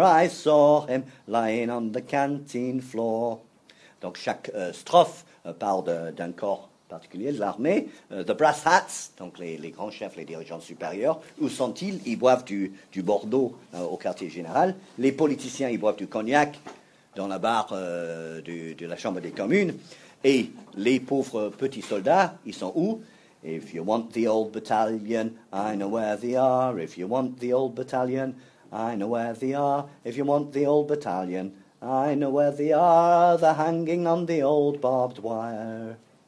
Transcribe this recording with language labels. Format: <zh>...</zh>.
<en>I saw him lying on the canteen floor.</en> <fr>Donc chaque strophe parle d'un corps particulier de l'armée,</fr> <en>the brass hats,</en> <fr>donc les grands chefs, les dirigeants supérieurs, où sont-ils? Ils boivent du Bordeaux au quartier général. Les politiciens, ils boivent du cognac dans la barre de la Chambre des communes. Et les pauvres petits soldats, ils sont où?</fr> <en>If you want the old battalion, I know where they are. If you want the old battalion, I know where they are. If you want the old battalion, I know where they are. They're hanging on the old barbed wire.</en>